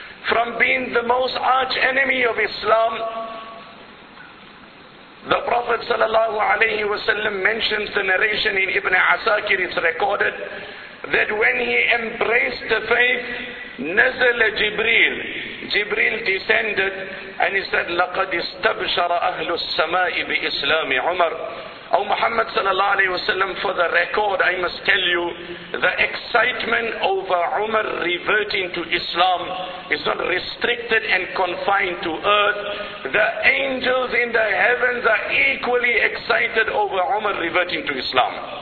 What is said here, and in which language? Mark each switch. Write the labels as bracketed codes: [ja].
[en] From being the most arch enemy of Islam, the Prophet sallallahu alayhi wasallam mentions the narration in Ibn Asakir, it's recorded, that when he embraced the faith, [ar] نَزَلَ جِبْرِيلِ. [en] Jibril descended and he said, [ar] "لَقَدْ اسْتَبْشَرَ أَهْلُ السَّمَاءِ بِإِسْلَامِ عُمَرِ." [en] O Muhammad sallallahu alayhi wasallam, for the record, I must tell you, the excitement over Umar reverting to Islam is not restricted and confined to earth. The angels in the heavens are equally excited over Umar reverting to Islam.